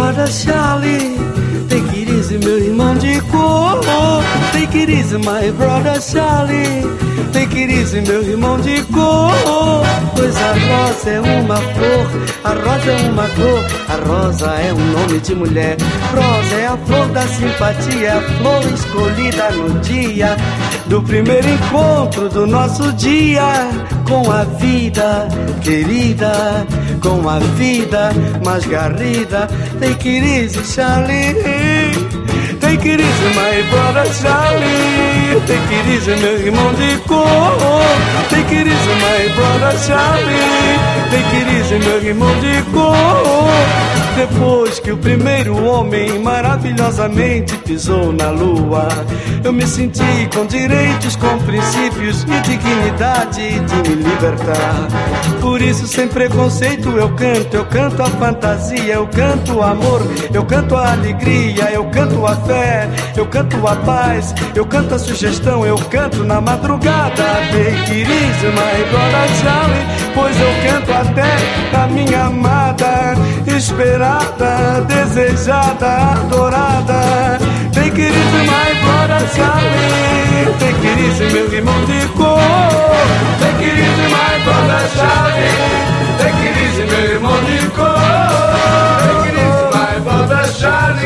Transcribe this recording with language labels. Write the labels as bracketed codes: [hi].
[pt] Charlie, [en] take it easy, [pt] meu irmão de cor. [en] Take it easy, my brother Charlie. Take it easy, [pt] meu irmão de cor. Pois a rosa é uma flor, a rosa é uma cor. A rosa é um nome de mulher. Rosa é a flor da simpatia, a flor escolhida no dia do primeiro encontro do nosso dia. Com a vida, querida, com a vida mais garrida. [en] Take it easy, Charlie. Take it easy, my brother Charlie. Take it easy, [pt] meu irmão de cor. [en] Take it easy, my brother Charlie. Take it easy, [pt] meu irmão de cor. Depois que o primeiro homem maravilhosamente pisou na lua, eu me senti com direitos, com princípios e dignidade de me libertar. Por isso, sem preconceito, eu canto a fantasia, eu canto o amor, eu canto a alegria, eu canto a fé, eu canto a paz, eu canto a sugestão, eu canto na madrugada. [en] Take it easy, my brother Charlie, [pt] pois eu canto até a minha amada, esperada, desejada, adorada. [en] Take it easy, my brother Charlie. Take it easy, [pt] meu irmão de cor. [en] Take it easy, my brother Charlie. Take it easy, [pt] meu irmão de cor. [en] Take it easy, my brother Charlie.